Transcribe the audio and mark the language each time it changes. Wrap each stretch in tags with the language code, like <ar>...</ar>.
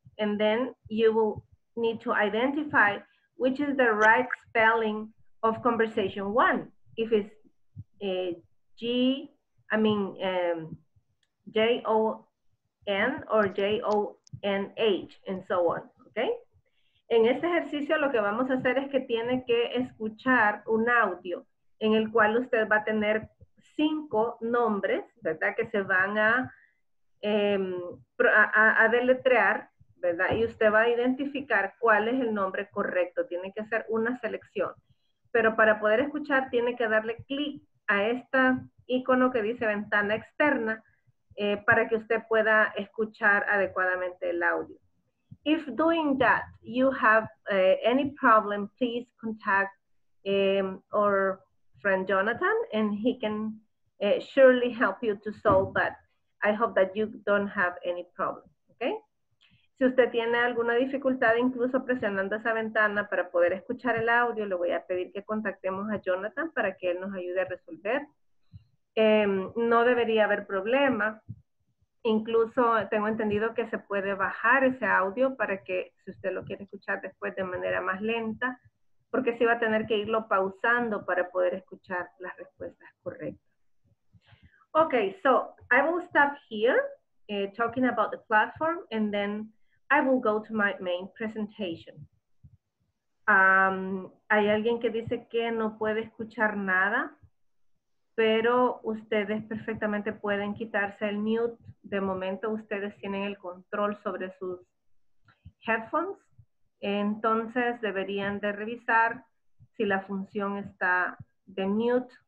<en>And then you will need to identify which is the right spelling of conversation one. If it's J-O-N or J-O-N-H, and so on, okay?</en> <es>En este ejercicio lo que vamos a hacer es que tiene que escuchar un audio en el cual usted va a tener 5 nombres, ¿verdad? Que se van a deletrear, ¿verdad? Y usted va a identificar cuál es el nombre correcto. Tiene que hacer una selección. Pero para poder escuchar, tiene que darle clic a este icono que dice ventana externa para que usted pueda escuchar adecuadamente el audio.</es> <en>If doing that you have any problem, please contact our friend Jonathan, and he can surely help you to solve that. I hope that you don't have any problem, okay?</en> <es>Si usted tiene alguna dificultad, incluso presionando esa ventana para poder escuchar el audio, le voy a pedir que contactemos a Jonathan para que él nos ayude a resolver. No debería haber problema. Incluso tengo entendido que se puede bajar ese audio para que, si usted lo quiere escuchar después de manera más lenta, porque sí va a tener que irlo pausando para poder escuchar las respuestas correctas.</es> <en>Okay, so I will stop here. Talking about the platform, and then I will go to my main presentation.</en> <es>Hay alguien que dice que no puede escuchar nada, pero ustedes perfectamente pueden quitarse el mute. De momento ustedes tienen el control sobre sus headphones, entonces deberían de revisar si la función está de mute.</es>